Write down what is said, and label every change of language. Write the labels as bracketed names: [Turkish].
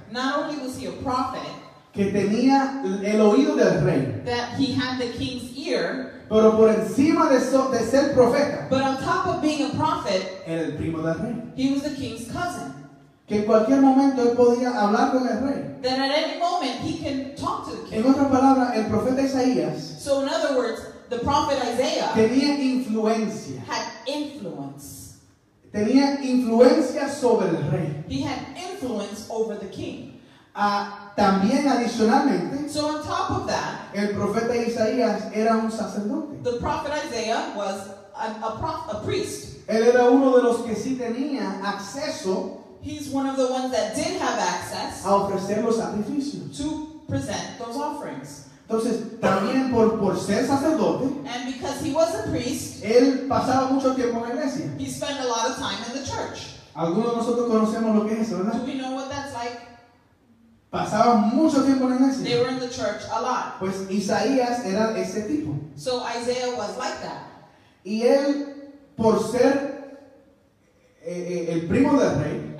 [English] Not only was he a prophet. [Spanish] Que tenía el oído del rey. [English] That he had the king's ear. [Spanish] Pero por encima de, so, de ser profeta. [English] But on top of being a prophet. [Spanish] Era el primo del rey. [English] He was the king's cousin. [Spanish] Que en cualquier momento él podía hablar con el rey. [English] That at any moment he can talk to the king. [Spanish] En otras palabras, el profeta Isaías. [English] So in other words, the prophet Isaiah. [Spanish] Tenía influencia. [English] Had influence. [Spanish] Tenía influencia sobre el rey. [English] He had influence over the king. [Spanish] También adicionalmente, [English] so on top of that, [Spanish] el profeta Isaías era un sacerdote. [English] The prophet Isaiah was a priest. [Spanish] Él era uno de los que sí tenía acceso. [English] He's one of the ones that did have access [Spanish] a ofrecer los sacrificios. [English] To present those offerings. [Spanish] Entonces, también por ser sacerdote, [English] and because he was a priest, [Spanish] él pasaba mucho tiempo en la iglesia. [English] He spent a lot of time in the church. [Spanish] Algunos de nosotros conocemos lo que es, ¿verdad? [English] Do we know what that's like? [Spanish] Pasaban mucho tiempo en la iglesia. [English] They were in the church a lot. [Spanish] Pues Isaías era ese tipo. [English] So Isaiah was like that. [Spanish] Y él, por ser el primo del rey.